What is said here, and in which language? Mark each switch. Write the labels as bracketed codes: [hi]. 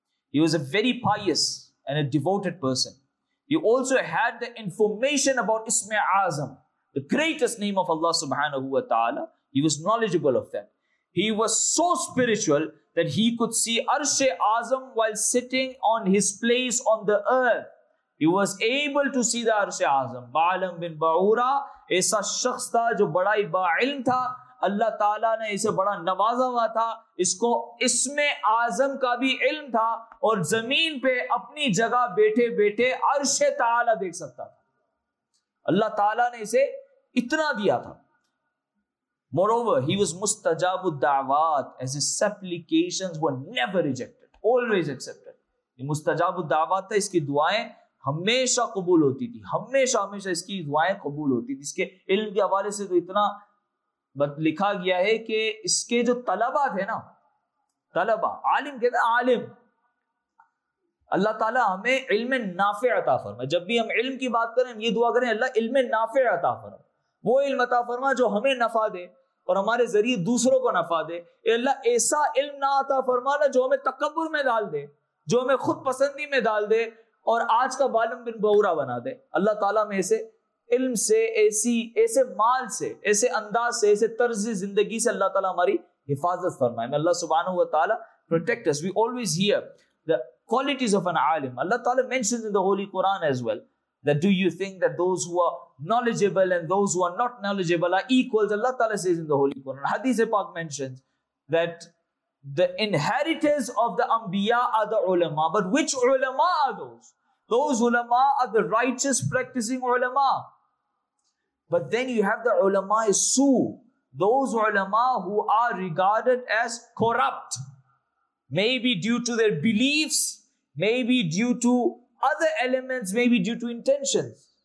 [en] He was a very pious and a devoted person. He also had the information about Ismi Azam, the greatest name of Allah subhanahu wa ta'ala. He was knowledgeable of that. He was so spiritual that he could see Arsh-e Azam while sitting on his place on the earth. He was able to see the Arsh-e Azam. [ur] Ba'alam bin Ba'ura, aisa shakhs tha jo bada hi ba'ilm tha. اللہ تعالیٰ نے اسے بڑا نوازا ہوا تھا, اس کو اسم اعظم کا بھی علم تھا, اور زمین پہ اپنی جگہ بیٹھے بیٹھے عرش تعالیٰ دیکھ سکتا تھا. اللہ تعالیٰ نے اسے اتنا دیا تھا. [en] Moreover, he was مستجاب الدعوات, as his supplications were never rejected, always accepted. [ur] یہ مستجاب الدعوات تھا, اس کی دعائیں ہمیشہ قبول ہوتی تھی, ہمیشہ ہمیشہ اس کی دعائیں قبول ہوتی تھی. اس کے علم کے حوالے سے تو اتنا بت لکھا گیا ہے کہ اس کے جو طلبہ تھے نا, طلبہ عالم کہتے ہیں عالم, اللہ تعالیٰ ہمیں علم نافع عطا فرما. جب بھی ہم علم کی بات کریں, ہم یہ دعا کریں, اللہ علم نافع عطا فرما, وہ علم عطا فرما جو ہمیں نفع دے اور ہمارے ذریعے دوسروں کو نفع دے. اے اللہ ایسا علم نہ عطا فرمانا جو ہمیں تکبر میں ڈال دے, جو ہمیں خود پسندی میں ڈال دے اور آج کا بالم بن بورا بنا دے. اللہ تعالیٰ میں ایسے علم سے، ایسے مال سے، ایسے انداز سے، ایسے طرز زندگی سے اللہ تعالیٰ ہماری حفاظت فرمائے. [en] میں اللہ سبحانہ و تعالیٰ protect us. We always hear the qualities of an عالم. اللہ تعالیٰ mentions in the holy Quran as well that do you think that those who are knowledgeable and those who are not knowledgeable are equal. Allah تعالیٰ says in the holy Quran. حدیث پاک mentions that the inheritors of the anbiya are the ulama. But which ulama are those? Those ulama are the righteous practicing ulama. But then you have the ulama su, those ulama who are regarded as corrupt, maybe due to their beliefs, maybe due to other elements, maybe due to intentions.